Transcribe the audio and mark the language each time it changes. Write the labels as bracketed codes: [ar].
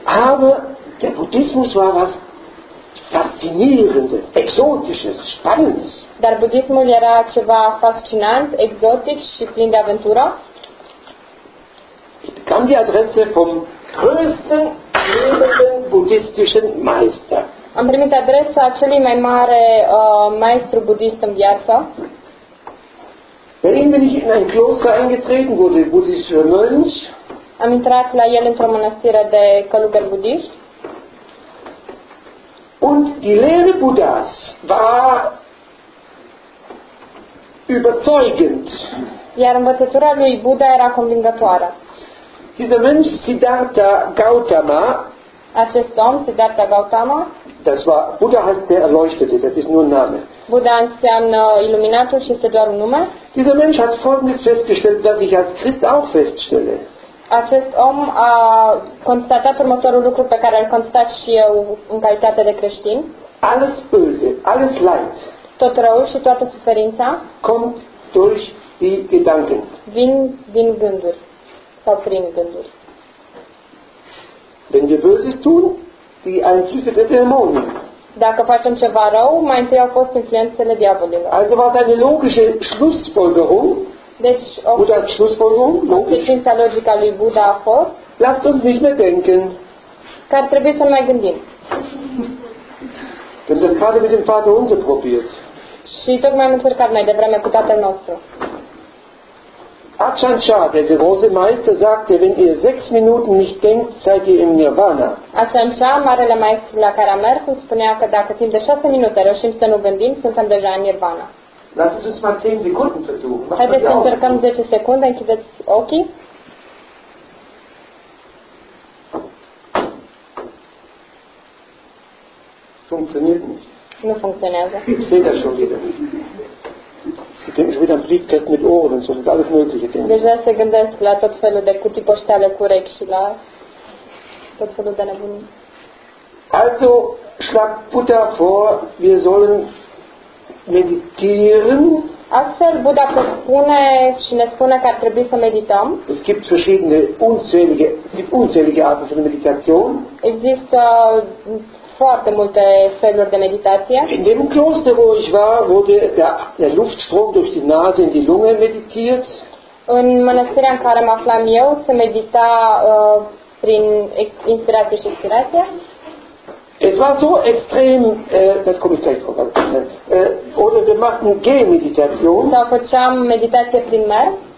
[de] Aber der Buddhismus war was Faszinierendes, Exotisches, Spannendes. [ro] Dar budismul era ceva fascinant, exotic și plin de aventură. [de] Ich bekam die Adresse vom größten lebenden buddhistischen Meister. [ro] Am primit adresa celui mai mare maestru budist în viață. [de] Bei ihm bin ich in ein Kloster eingetreten, wo der buddhistische Mönch. [ro] Am intrat la el într-o mănăstire de călugări budiști. [de] Und die Lehre Buddhas war überzeugend. [ro] Iar învățătura lui Buddha era convingătoare. [de] Dieser Mönch Siddhartha Gautama. [ro] Acest om, Siddhartha Gautama. [de] Das war Buddha heißt der Erleuchtete. Das ist nur ein Name. [ro] Buddha înseamnă Iluminatul și este doar un nume. [de] Dieser Mensch hat folgendes festgestellt, was ich als Christ auch feststelle. [ro] Acest om a constatat următorul lucru pe care l-am constatat și eu în calitate de creștin. [de] Alles Böse, alles Leid. [ro] Tot răul și toată suferința. [de] Kommt durch die Gedanken. [ro] Vin gânduri. Sau prin gânduri. [de] Wenn wir Böses tun, die Einflüsse der Dämonen. [ro] Dacă facem ceva rău, mai întâi au fost influențele diavolilor. [de] Also war deine logische Schlussfolgerung. [ro] Deci, [de] Buddha's Schlussfolgerung, logisch. [ro] Consecința logică a lui Buddha a fost. [de] Lasst uns nicht mehr denken. [ro] Că ar trebui să nu mai gândim. [de] Wir haben gerade mit dem Vater unser probiert. [ro] Și tocmai am încercat mai devreme cu Tatăl nostru. [de] Ajahn Chah, der große Meister, sagte, wenn ihr 6 Minuten nicht denkt, seid ihr im Nirvana. [ro] Ajahn Chah, marele maestru la care am mers, spunea că dacă timp de 6 minute reușim să nu gândim, suntem deja în Nirvana. [de] Lasst uns mal 10 Sekunden versuchen. [ro] Haideți să încercăm 10 secunde, închideți ochii. Funcționează [de] nicht. [ro] Nu funcționează. [de] Ich sehe das schon wieder. Ich denke schon wieder an Briefkast mit Ohren und so, das ist alles mögliche. [ro] Deja se gândesc la tot felul de cutii poștale cu urechi și la tot felul de nebunii. [de] Also schlagt Buddha vor, wir sollen meditieren. [ro] Astfel Buddha propune și ne spune că ar trebui să medităm. [de] Es gibt verschiedene unzählige Arten von Meditation. [ro] Există foarte multe feluri de meditație. [de] In dem Kloster, wo ich war, wurde der Luftstrom durch die Nase in die Lunge meditiert. [ro] În mănăstirea în care mă aflam eu, se medita prin inspirație și expirație. [de] Es war so extrem, das komme ich gleich drauf an. Oder wir machten Gehmeditation. [ro] Sau făceam meditație prin mers.